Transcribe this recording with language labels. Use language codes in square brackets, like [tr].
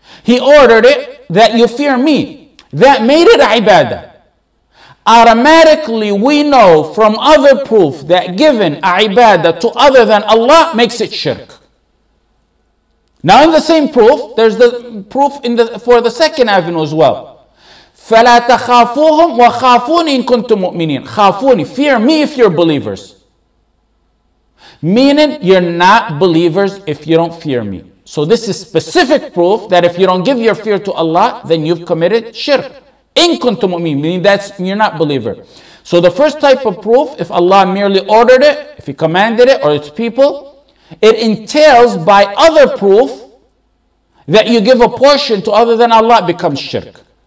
[en] He ordered it that you fear me. That made it ibadah. Automatically, we know from other proof that given ibadah to other than Allah makes it shirk. Now, in the same proof, there's the proof for the second avenue as well. [ar] فَلَا تَخَافُوهُمْ وَخَافُونِ إِن كُنْتُمْ مُؤْمِنِينَ. خَافُونِ, [en] fear me if you're believers. meaning you're not believers if you don't fear me. So this is specific proof that if you don't give your fear to Allah, then you've committed shirk. In kuntum mu'min, meaning that's you're not believer. So the first type of proof, if Allah merely ordered it, if He commanded it, or its people, it entails by other proof that you give a portion to other than Allah, it becomes shirk.